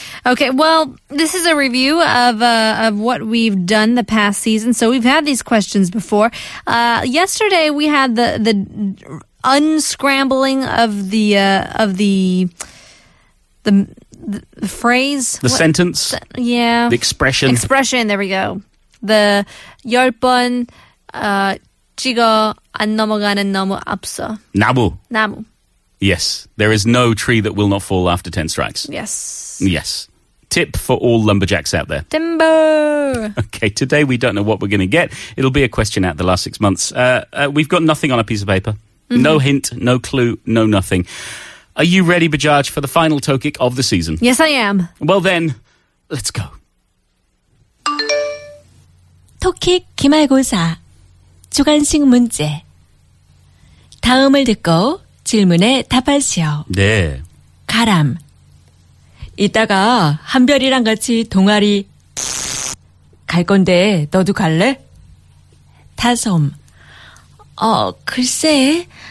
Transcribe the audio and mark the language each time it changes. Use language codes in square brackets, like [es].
[en] Okay, well, this is a review of what we've done the past season. So we've had these questions before. Yesterday we had the unscrambling of the phrase. The sentence. Yeah. The expression. There we go. [ko] The 10번 찍어 안 넘어가는 너무 앞서. 나무. [en] Yes, there is no tree that will not fall after 10 strikes. Yes. Tip for all lumberjacks out there. Timber! Okay, today we don't know what we're going to get. It'll be a question out the last 6 months. We've got nothing on a piece of paper. Mm-hmm. No hint, no clue, no nothing. Are you ready, Bajaj, for the final Tokic of the season? Yes, I am. Well then, let's go. [ko] Tokic 기말고사 주간식 문제 다음을 듣고 질문에 답하시오. 네. 가람. 이따가 한별이랑 같이 동아리 갈 건데 너도 갈래? 다솜. 글쎄.